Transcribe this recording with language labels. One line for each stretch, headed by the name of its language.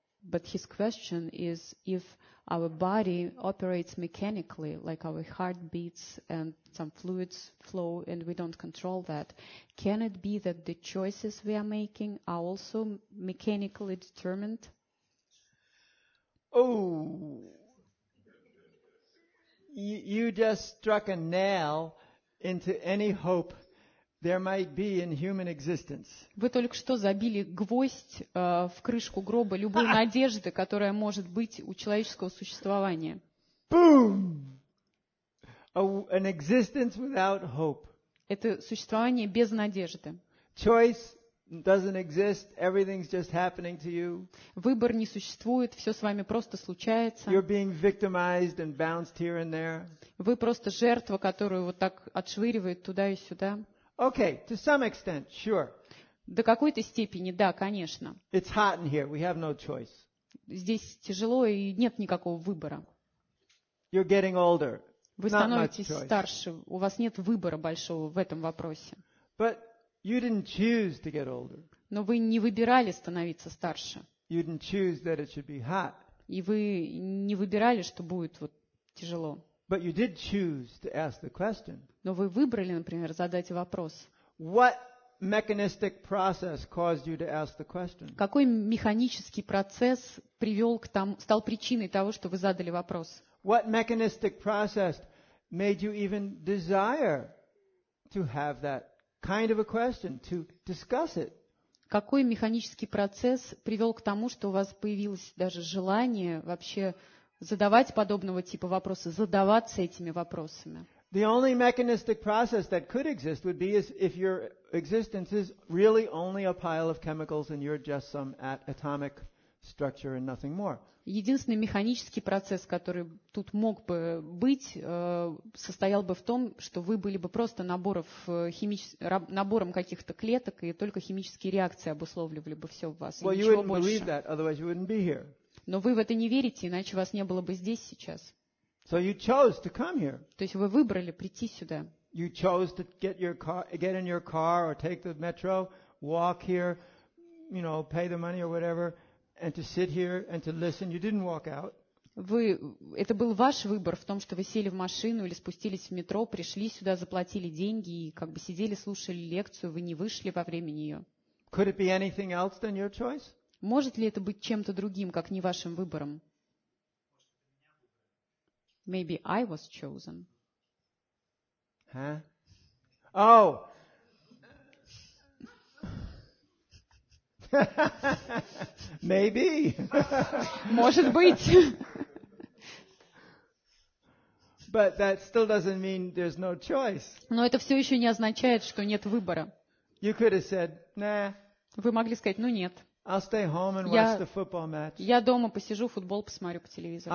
English: But his question is, if our body operates mechanically, like our heart beats and some fluids flow and we don't control that, can it be that the choices we are making are also mechanically determined? Oh, you just struck a nail into any hope there might be in human existence.
Russian: Вы только что забили гвоздь в крышку гроба любой надежды, которая может быть у человеческого существования.
English: Boom! An existence without hope.
Russian: Это существование без надежды.
English: Choice doesn't exist. Everything's just happening to you.
Russian: Выбор не существует, все с вами просто случается.
English: You're being victimized and bounced here and there.
Russian: Вы просто жертва, которую вот так отшвыривает туда и сюда.
English: Okay, to some extent, sure.
Russian: До какой-то степени, да, конечно.
English: It's hot in here. We have no choice.
Russian: Здесь тяжело и нет никакого выбора.
English: You're getting older.
Russian: Вы становитесь старше. У вас нет выбора большого в этом вопросе.
English: But you didn't choose to get older.
Russian: Но вы не выбирали становиться старше.
English: You didn't choose that it should be hot.
Russian: И вы не выбирали, что будет вот тяжело.
English: But you did choose to ask the question.
Russian: Но вы выбрали, например, задать вопрос.
English: What mechanistic process caused you to ask the question?
Russian: Какой механический процесс привел к тому, стал причиной того, что вы задали вопрос?
English: What mechanistic process made you even desire to have that kind of a question, to discuss it?
Russian: Какой механический процесс привел к тому, что у вас появилось даже желание вообще задавать подобного типа вопросы, задаваться этими вопросами?
English: The only mechanistic process that could exist would be if your existence is really only a pile of chemicals and you're just some atomic structure and nothing more.
Russian: Единственный механический процесс, который тут мог бы быть, состоял бы в том, что вы были бы просто набором каких-то клеток, и только химические реакции обусловливали бы все в вас,
English: well,
Russian: и ничего больше.
English: Believe that, otherwise you wouldn't be here.
Russian: Но вы в это не верите, иначе вас не было бы здесь сейчас.
English: So you chose to come here.
Russian: То есть вы выбрали прийти сюда.
English: You chose to get in your car or take the metro, walk here, you know, pay the money or whatever. And to sit here and to listen, you didn't walk out.
Russian: Вы, это был ваш выбор в том, что вы сели в машину или спустились в метро, пришли сюда, заплатили деньги и как бы сидели, слушали лекцию. Вы не вышли во время нее.
English: Could it be anything else than your choice?
Russian: Может ли это быть чем-то другим, как не вашим выбором?
English: Maybe I was chosen. Huh? Oh. Maybe.
Russian: Может быть. Но это все еще не означает, что нет выбора.
English: You could have said, nah.
Russian: Вы могли сказать, ну нет.
English: I'll stay home and watch the football match.
Russian: Я дома посижу, футбол посмотрю по телевизору.